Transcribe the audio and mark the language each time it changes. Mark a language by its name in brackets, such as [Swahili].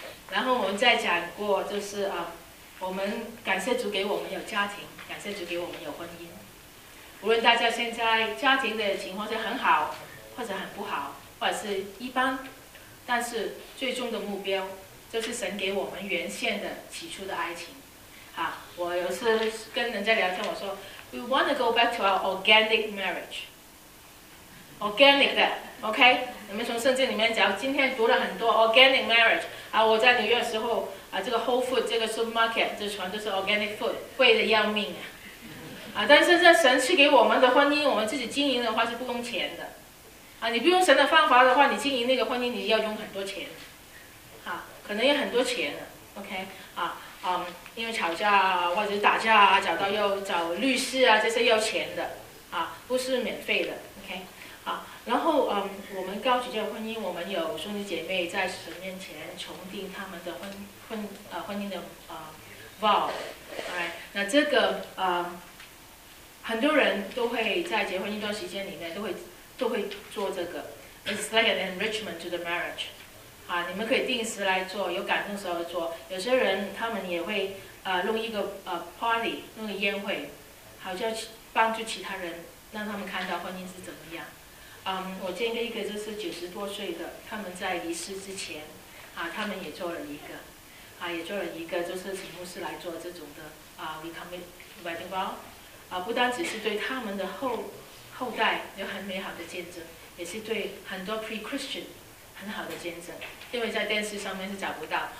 [Chinese] 然后我们再讲过，就是我们感谢主给我们有家庭，感谢主给我们有婚姻。无论大家现在家庭的情况是很好，或者很不好，或者是一般，但是最终的目标就是神给我们原先的起初的爱情。啊，我有次跟人家聊天，我说 ， [English] We want to go back to our organic marriage。 [Chinese] Organic 的 ，OK， 你们从圣经里面讲，今天读了很多 organic marriage 啊。我在纽约的时候啊，这个 Whole Food 这个 supermarket 这全都是 organic food， 贵的要命啊！啊，但是这神赐给我们的婚姻，我们自己经营的话是不用钱的，啊，你不用神的方法的话，你经营那个婚姻你要用很多钱，啊，可能要很多钱的 ，OK， 因为吵架啊，或者打架啊，找到要找律师啊，这些要钱的，啊，不是免费的 ，OK。然后我们高举这个婚姻，我们有兄弟姐妹在神面前重定他们的婚姻的vow。那这个很多人都会在结婚一段时间里面都会做这个。 [English] It's like an enrichment to the marriage。 [Chinese] 你们可以定时来做，有感动时候做。有些人他们也会弄一个party， 弄个宴会，好像帮助其他人，让他们看到婚姻是怎么样。我见过一个就是90多岁的，他们在离世之前，他们也做了一个，也做了一个，就是请牧师来做这种的recommit wedding vow， 不单只是对他们的后代有很美好的见证，也是对很多 pre-Christian 很好的见证，因为在电视上面是找不到。